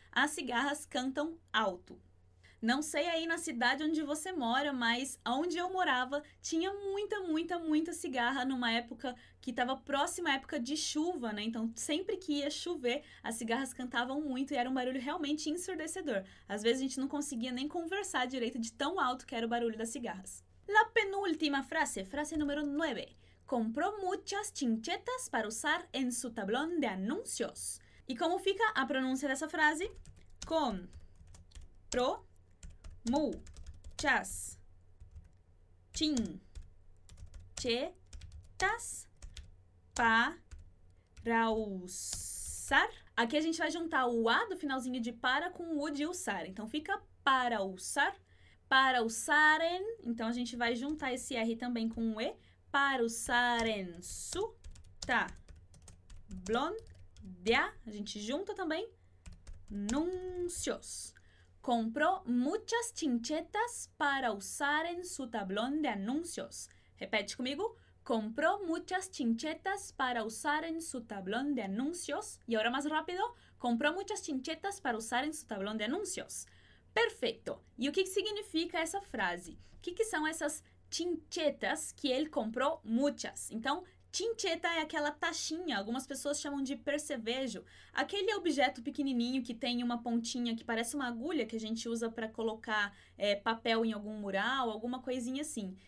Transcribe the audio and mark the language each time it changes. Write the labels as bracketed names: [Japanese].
[Portuguese] As cigarras cantam alto. Não sei aí na cidade onde você mora, mas onde eu morava tinha muita, muita, muita cigarra numa época que estava próxima à época de chuva, né? Então, sempre que ia chover, as cigarras cantavam muito e era um barulho realmente ensurdecedor. Às vezes a gente não conseguia nem conversar direito de tão alto que era o barulho das cigarras. [Spanish] La penúltima frase, frase número 9. Comprou muchas chinchetas para usar en su tablón de anuncios. [Portuguese] E como fica a pronúncia dessa frase? [Spanish] Comprou muchas chinchetas para usar. [Portuguese] Aqui a gente vai juntar o A do finalzinho de para com o U de usar. Então fica [Spanish] para usar, para usaren. [Portuguese] Então a gente vai juntar esse R também com o E. [Spanish] Para usaren su tablón de A. [Portuguese] A gente junta também. Nuncios. [Spanish] Comprou muchas chinchetas para usar en su tablón de anuncios. [Portuguese] Repete comigo. [Spanish] Comprou muchas chinchetas para usar en su tablón de anuncios. [Portuguese] E agora mais rápido. [Spanish] Comprou muchas chinchetas para usar en su tablón de anuncios. [Portuguese] Perfeito. E o que significa essa frase? O que são essas chinchetas que ele comprou muchas? Então, chincheta é aquela tachinha, algumas pessoas chamam de percevejo. Aquele objeto pequenininho que tem uma pontinha que parece uma agulha que a gente usa para colocar papel em algum mural, alguma coisinha assim.